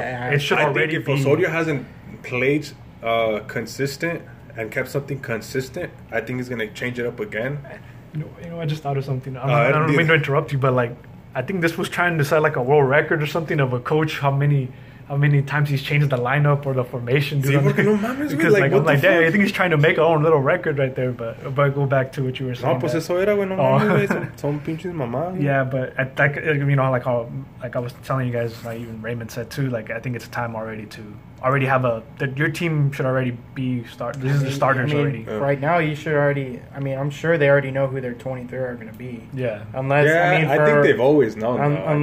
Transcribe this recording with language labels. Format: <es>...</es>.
<en>I think if Osorio hasn't played consistent and kept something consistent, I think he's going to change it up again. You know, I just thought of something. I don't mean to interrupt you, but like, I think this was trying to set like a world record or something of a coach, how many times he's changed the lineup or the formation. Dude, I think he's trying to make his own little record right there. But go back to what you were saying.</en> <es>No, pues eso era, bueno, son pinches mamá.</es> <en>Yeah, but I was telling you guys, like even Raymond said too. Like I think it's time already to already have a that your team should already be start. This is the starters already. Yeah. Right now, you should already. I mean, I'm sure they already know who their 23 are going to be. Yeah. I think they've always known.</en>